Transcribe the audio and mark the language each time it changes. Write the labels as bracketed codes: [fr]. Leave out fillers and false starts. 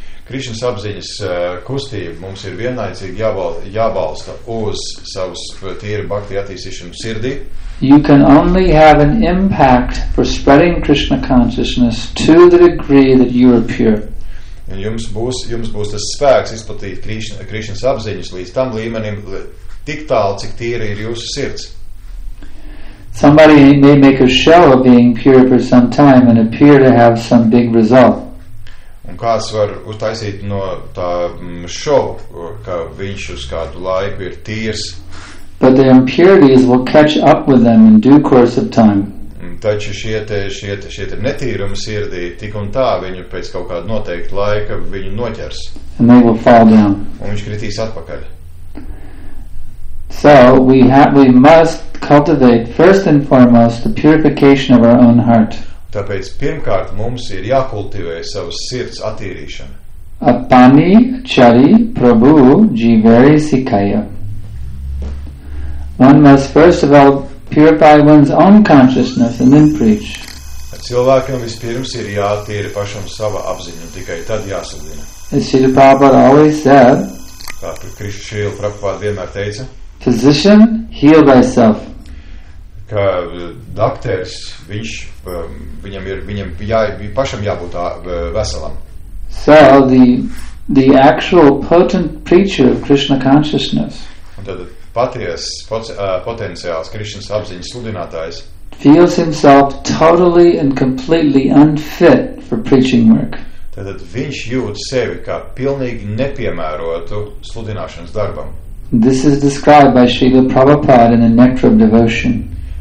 [lv] Krishnas apziņas kustība mums ir vienlaicīgi jābalsta uz savas tīra bhakti attīstīšanu sirdī. [en] You can only have an impact for spreading Krishna consciousness to the degree that you are pure. [lv] Un jums būs tas spēks izplatīt Krishnas apziņas līdz tam līmenim, tik tālu, cik tīra ir jūsu sirds. [en] Somebody may make a show of being pure for some time and appear to have some big result. [lv] Un kāds var uztaisīt no tā šovu, ka viņš uz kādu laiku ir tīrs. [en] But their impurities will catch up with them in due course of time. [lv] Taču šie te netīrumi sirdī tik un tā viņu pēc kaut kāda noteikta laika viņu noķers. [en] And they will fall down. [lv] Un viņš kritīs atpakaļ. [en] So we must cultivate first and foremost the purification of our own heart. [lv] Tāpēc pirmkārt mums ir jākultivē savas sirds attīrīšana. [bn] Apani chari prabhu jivari sikaya. [en] One must first of all purify one's own consciousness and then preach. [lv] Cilvēkam vispirms ir jātīra pašam sava apziņa, tikai tad jāsludina. [en] As Srila Prabhupada always said, [lv] tātad Srila Prabhupada vienmēr teica, [en] physician, heal thyself. [lv] Ka dakteris, viņš, viņam ir, viņam jā, pašam jābūt veselam. [en] So the actual potent preacher of Krishna consciousness. [lv] Paties potenciāls Krišnas apziņas sludinātājs [en] feels himself totally and completely unfit for preaching work. [lv] Tātad viņš jūt sevi kā pilnīgi nepiemērotu sludināšanas darbam. [en] This is described by Srila Prabhupada in the Nectar of Devotion.